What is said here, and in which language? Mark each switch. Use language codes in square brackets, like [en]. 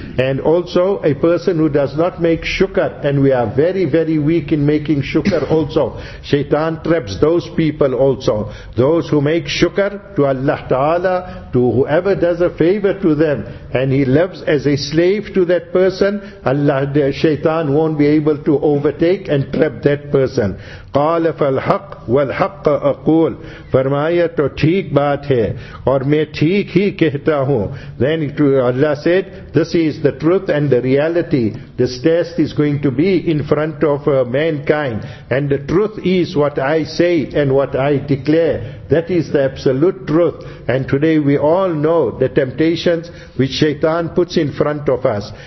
[en] And also, a person who does not make shukr, and we are very, very weak in making shukr also, Shaitan traps those people also. Those who make shukr to Allah Ta'ala, to whoever does a favor to them, and he lives as a slave to that person, Allah, the Shaitan won't be able to overtake and trap that person. [ar] قَالَ فَالْحَقِّ وَالْحَقَّ أَقُولُ [ur] فرمایا تو ٹھیک بات ہے اور میں ٹھیک ہی کہتا ہوں. [en] Then Allah said, this is the truth and the reality. This test is going to be in front of mankind. And the truth is what I say and what I declare. That is the absolute truth. And today we all know the temptations which Shaitan puts in front of us.